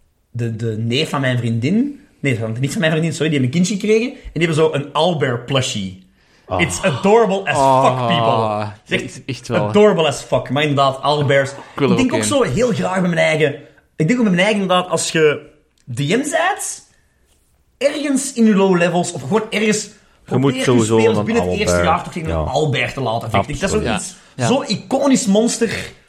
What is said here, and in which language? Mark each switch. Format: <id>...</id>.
<nl>De neef van mijn vriendin... Nee, niet van mijn vriendin, sorry. Die hebben een kindje gekregen. En die hebben zo een Albert plushie. Oh.</nl> <en>It's adorable as fuck, people.</en> <nl>Echt wel.</nl> <en>Adorable as fuck.</en> <nl>Maar inderdaad, Albert's... Ik denk ook zo heel graag bij mijn eigen... Ik denk ook bij mijn eigen, inderdaad, als je DM bent... Ergens in je low levels, of gewoon ergens... Je moet sowieso een Albert. Binnen het eerste jaar toch tegen een Albert te laten vechten. Dat is ook iets... Ja. Zo'n iconisch monster...</nl>